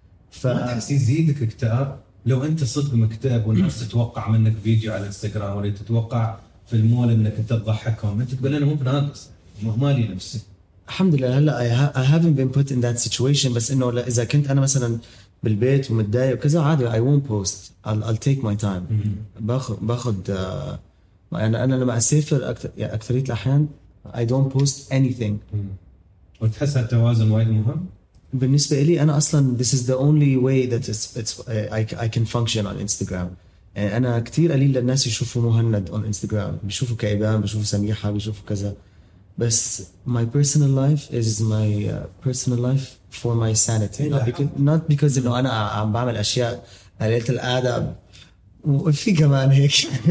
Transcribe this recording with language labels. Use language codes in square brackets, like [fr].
[ar] فتحس يزيدك اكتئاب لو انت صدق مكتئب والناس تتوقع منك فيديو على انستغرام ولا تتوقع في المول انك انت تضحكهم، انت تقول انا مو بناقص مهمالي نفسي. الحمد لله هلا [en] I haven't been put in that situation، [ar] بس انه اذا كنت انا مثلا بالبيت ومتضايق وكذا عادي [en] I won't post، I'll take my time. [ar] باخذ يعني انا لما اسافر اكثرية الاحيان [en] I don't post anything. [ar] وتحس هالتوازن وايد مهم؟ بالنسبة لي أنا أصلاً [en] this is the only way that it's I can function on Instagram. [ar] أنا كتير قليل للناس يشوفوا مهند on Instagram، بيشوفوا كعبان، بيشوفوا سميحة، بيشوفوا كذا، بس [en] my personal life is my personal life for my sanity. [ar] not because إنه أنا عم بعمل أشياء قليلة القعدة وفي كمان هيك.